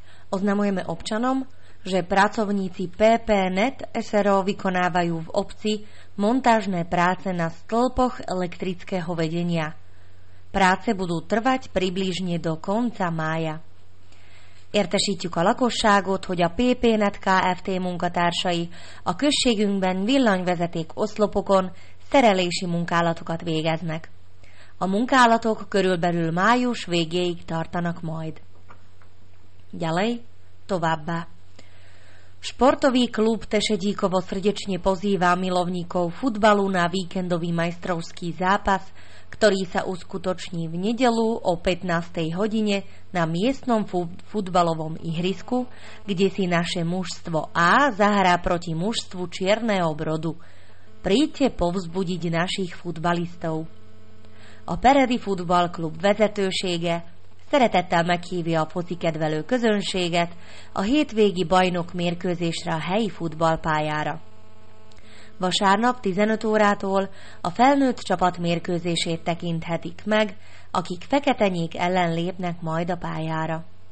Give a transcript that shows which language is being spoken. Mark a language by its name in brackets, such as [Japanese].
[Slovak] Oznamujeme občanom, že pracovníci PPNet SRO vykonávajú v obci montážne práce na stĺpoch elektrického vedenia. Práce budú trvať približne do konca mája. [Hungarian] Értesítjük a lakosságot, hogy a PPNet Kft. Munkatársai a községünkben villanyvezeték oszlopokon szerelési munkálatokat végeznek. A munkálatok körülbelül május végéig tartanak majd. [Slovak] Ďalej, [Hungarian] továbbá. [Slovak] Športový klub Tešedíkovo srdečne pozýva milovníkov futbalu na víkendový majstrovský zápas, ktorý sa uskutoční v nedeľu o 15. hodine na miestnom futbalovom ihrisku, kde si naše mužstvo A zahrá proti mužstvu Čierneho Brodu. Príďte povzbudiť našich futbalistov. [Hungarian] A Peredi Futball Klub vezetősége szeretettel meghívja a foci kedvelő közönséget a hétvégi bajnok mérkőzésre a helyi futballpályára. Vasárnap 15 órától a felnőtt csapat mérkőzését tekinthetik meg, akik feketenyék ellen lépnek majd a pályára.